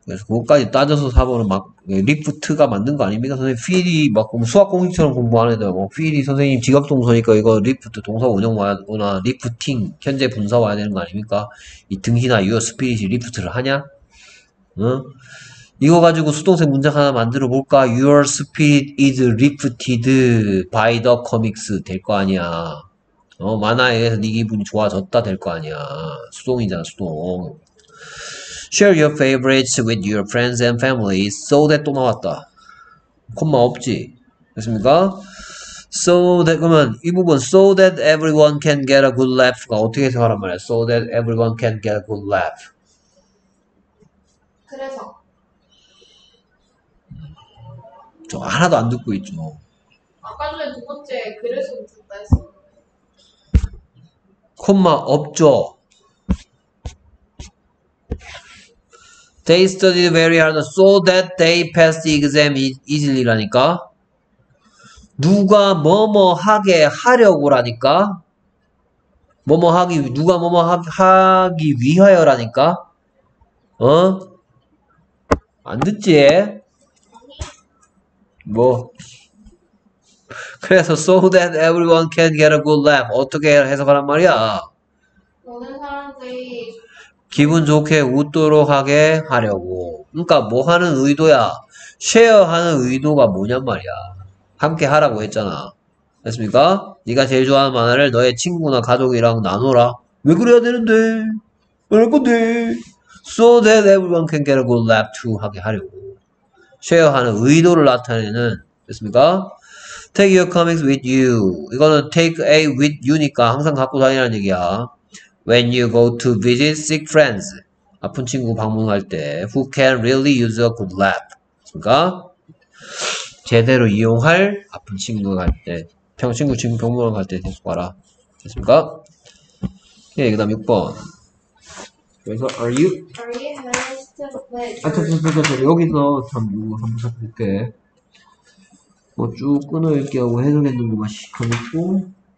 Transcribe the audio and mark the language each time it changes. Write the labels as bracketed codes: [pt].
[ko] 그래서 그것까지 따져서 4번은 막 리프트가 맞는 거 아닙니까? 선생님 필이 막 수학 공식처럼 공부하는 애들 뭐 필이 선생님 지각 동사니까 이거 리프트 동사 원형 와야구나. 리프팅 현재 분사 와야 되는 거 아닙니까? 이 등신아 유어 스피릿이 리프트를 하냐? 응? 이거 가지고 수동태 문장 하나 만들어 볼까? [en] Your spirit is lifted by the comics [ko] 될거 아니야. 만화에 대해서 네 기분이 좋아졌다 될거 아니야. 수동이잖아 수동. [en] Share your favorites with your friends and family. So that [ko] 또 나왔다. 콤마 없지. 됐습니까? So that 그러면 이 부분 [en] so that everyone can get a good laugh [ko] 가 어떻게 해석하란 말이야? [en] So that everyone can get a good laugh. [ko] 그래서 저 하나도 안 듣고 있죠. 아까 전에 두 번째 그래서 듣다 했어. 콤마 없죠. [en] They studied very hard so that they passed the exam easily라니까. [ko] 누가 뭐뭐 하게 하려고라니까. 뭐뭐 하기 누가 뭐뭐 하기 위하여라니까. 어? 안 듣지? 뭐? 그래서 [en] so that everyone can get a good laugh [ko] 어떻게 해석하란 말이야? 모든 사람들이 기분 좋게 웃도록 하게 하려고. 그러니까 뭐 하는 의도야? 쉐어하는 의도가 뭐냔 말이야? 함께 하라고 했잖아. 됐습니까? 네가 제일 좋아하는 만화를 너의 친구나 가족이랑 나눠라. 왜 그래야 되는데? 왜 그래? [en] So that everyone can get a good laugh too [ko] 하게 하려고. 쉐어하는 의도를 나타내는. 됐습니까? [en] Take your comics with you. [ko] 이거는 [en] take a with you니까 [ko] 항상 갖고 다니라는 얘기야. [en] When you go to visit sick friends, [ko] 아픈 친구 방문할 때, [en] who can really use a good laugh? [ko] 그러니까 제대로 이용할 아픈 친구 갈 때, 친구 지금 병문안 갈때 계속 봐라. 됐습니까? 예, 그다음 6번. 그래서 [en] are you? Are you finished with 아, your? [ko] 저 여기서 참 이거 한번 살펴볼게. 뭐쭉 끊어읽기 하고 해석했는 거 맛이 가볍고.